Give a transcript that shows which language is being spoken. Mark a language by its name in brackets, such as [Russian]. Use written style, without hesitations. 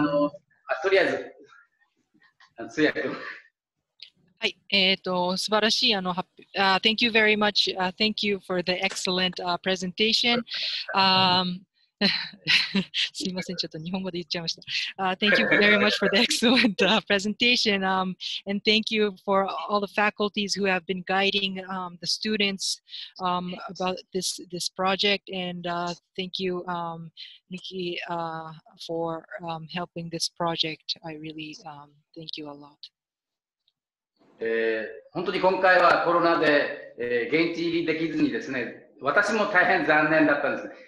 [Japanese] ございます。とりあえず通訳を。はい、素晴らしい発表、 [English] Thank you very much. Thank you for the excellent presentation. [Japanese] すみません、ちょっと日本語で言っちゃいました。 [English] Thank you very much for the excellent presentation. And thank you for all the faculties who have been guiding the students about this project. And thank you, Nikki, for helping this project. I really thank you a lot. [Japanese] 本当に今回はコロナで現地入りできずにですね、私も大変残念だったんです。